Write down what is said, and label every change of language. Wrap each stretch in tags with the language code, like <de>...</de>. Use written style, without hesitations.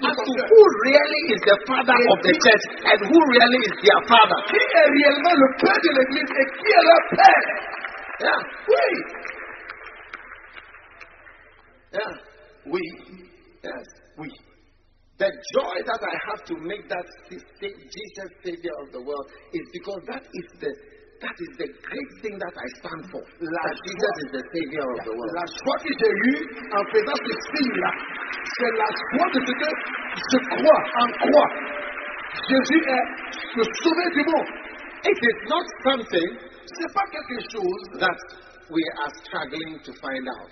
<en>as to who really is the father et of the church and who really is their father.</en> <fr>Qui est réellement le père de l'église et qui est leur père?</fr> <en>Yeah.</en> <fr>Oui.</fr> <en>Yeah.</en> <fr>Oui.</fr> <en>Yes.</en> <fr>Oui.</fr> <en>The joy that I have to make that Jesus Savior of the world is because that is the great thing that I stand for. Jesus is the Savior of the world.</en> <fr>La joie que j'ai eue en faisant ce signe-là, c'est la joie de ce que je crois en quoi Jésus est le sauveur du monde.</fr> <en>It is not something,</en> <fr>c'est pas quelque chose</fr> <en>that we are struggling to find out.</en>